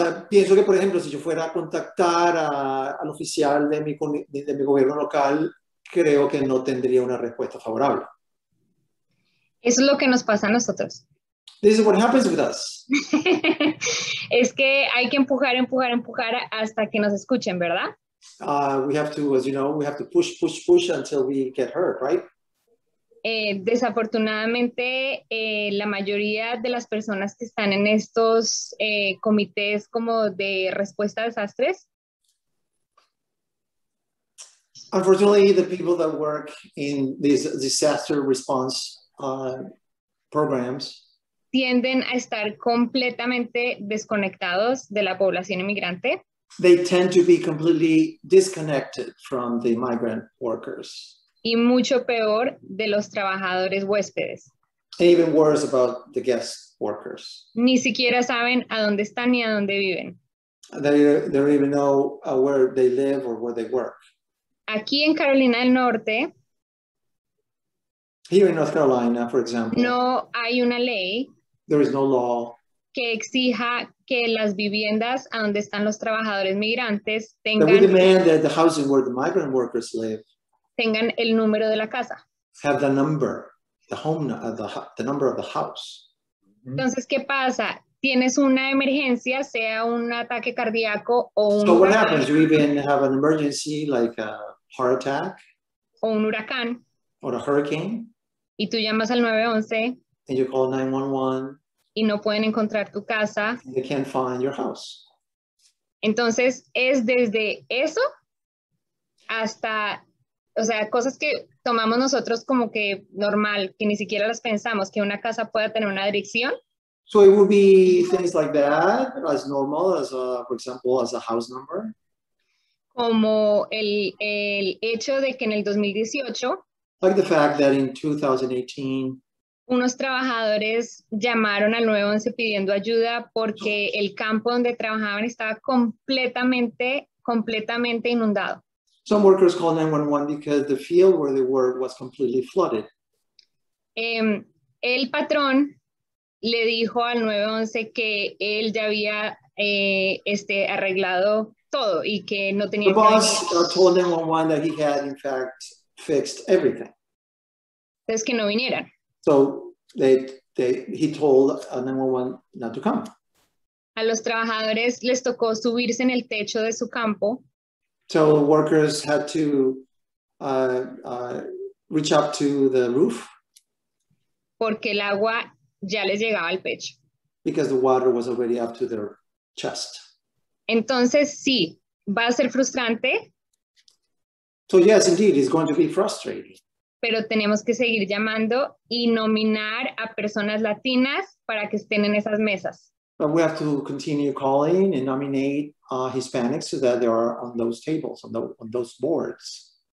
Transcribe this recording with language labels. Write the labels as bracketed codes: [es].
[es] Pienso que, por ejemplo, si yo fuera a contactar al oficial de mi gobierno local, creo que no tendría una respuesta favorable. Eso es lo que nos pasa a nosotros. [en] This is what happens with us. [es] Es que hay que empujar hasta que nos escuchen, ¿verdad? [en] We have to, as you know, we have to push until we get heard, right? [es] Desafortunadamente, la mayoría de las personas que están en estos comités como de respuesta a desastres. [en] Unfortunately, the people that work in these disaster response programs [es] tienden a estar completamente desconectados de la población inmigrante. [en] They tend to be completely disconnected from the migrant workers. [es] Y mucho peor de los trabajadores huéspedes. [en] And even worse about the guest workers. [es] Ni siquiera saben a dónde están ni a dónde viven. [en] They don't even know where they live or where they work. [es] Aquí en Carolina del Norte. [en] Here in North Carolina, for example. [es] No hay una ley. [en] There is no law. [es] Que exija que las viviendas a donde están los trabajadores migrantes tengan. [en] That we demand that the housing where the migrant workers live. [es] Tengan el número de la casa. [en] Have the number, the number of the house. Entonces, ¿qué pasa? Tienes una emergencia, sea un ataque cardíaco o un. So what happens? You even have an emergency like a heart attack. [es] O un huracán. [en] Or a hurricane. [es] Y tú llamas al 911. [en] And you call 911. [es] Y no pueden encontrar tu casa. [en] And they can't find your house. [es] Entonces, es desde eso hasta, o sea, cosas que tomamos nosotros como que normal, que ni siquiera las pensamos, que una casa pueda tener una dirección. [en] So it would be things like that, as normal, as a, for example, as a house number. [es] Como el hecho de que en el 2018, [en] like the fact that in 2018, [es] unos trabajadores llamaron al 911 pidiendo ayuda porque el campo donde trabajaban estaba completamente inundado. [en] Some workers called 911 because the field where they were was completely flooded. [es] El patrón le dijo al 911 que él ya había arreglado todo y que no tenía. [en] The boss told 911 that he had in fact fixed everything. [es] Entonces que no vinieran. [en] So he told 911 not to come. [es] A los trabajadores les tocó subirse en el techo de su campo. [en] So workers had to reach up to the roof. [es] Porque el agua ya les llegaba al pecho. [en] Because the water was already up to their chest. [es] Entonces, sí, va a ser frustrante. [en] So yes, indeed, it's going to be frustrating. [es] Pero tenemos que seguir llamando y nominar a personas latinas para que estén en esas mesas. [en] But we have to continue calling and nominate Hispanics so that they are on those tables, on those boards.